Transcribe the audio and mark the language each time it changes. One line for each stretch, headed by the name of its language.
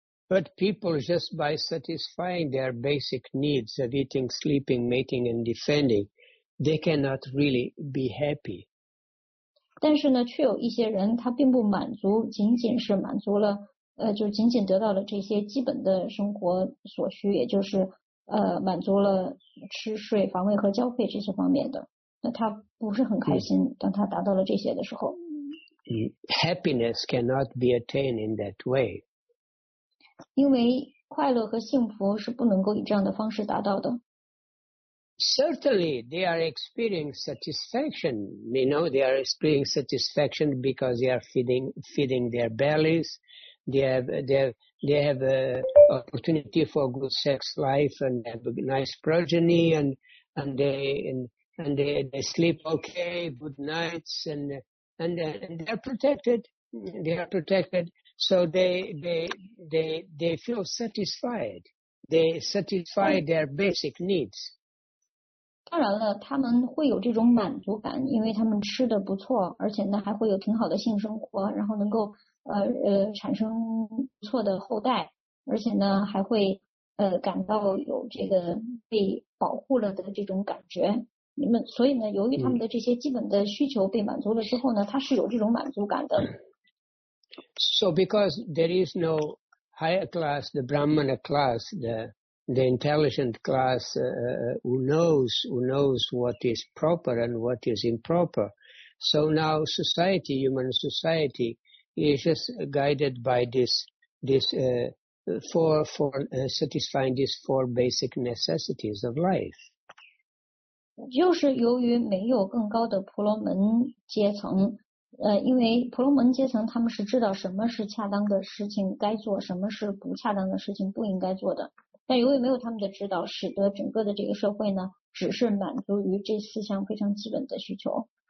English: But people, just by satisfying their basic needs of eating, sleeping, mating, and defending, they cannot really be happy.
Chinese: 但是呢，却有一些人他并不满足，仅仅是满足了，就仅仅得到了这些基本的生活所需，也就是满足了吃睡房位和交配这些方面的。那他不是很开心，当他达到了这些的时候。
English: Happiness cannot be attained in that way.
Chinese: 因为快乐和幸福是不能够以这样的方式达到的。
English: Certainly, they are experiencing satisfaction. You know, they are experiencing satisfaction because they are feeding their bellies. They have opportunity for good sex life and have a nice progeny and they sleep okay, good nights and they're protected. They are protected. So they feel satisfied. They satisfy their basic needs.
Chinese: 当然了，他们会有这种满足感，因为他们吃的不错，而且呢还会有挺好的性生活，然后能够产生不错的后代，而且呢还会感到有这个被保护了的这种感觉。那么所以呢，由于他们的这些基本的需求被满足了之后呢，他是有这种满足感的。
English: So because there is no higher class, the Brahmana class, the intelligent class who knows what is proper and what is improper. So now society, human society, is just guided by this, for satisfying these four basic necessities of life.
Chinese: 就是由于没有更高的婆罗门阶层。因为婆罗门阶层他们是知道什么是恰当的事情该做，什么是不恰当的事情不应该做的。但由于没有他们的指导，使得整个的这个社会呢，只是满足于这四项非常基本的需求。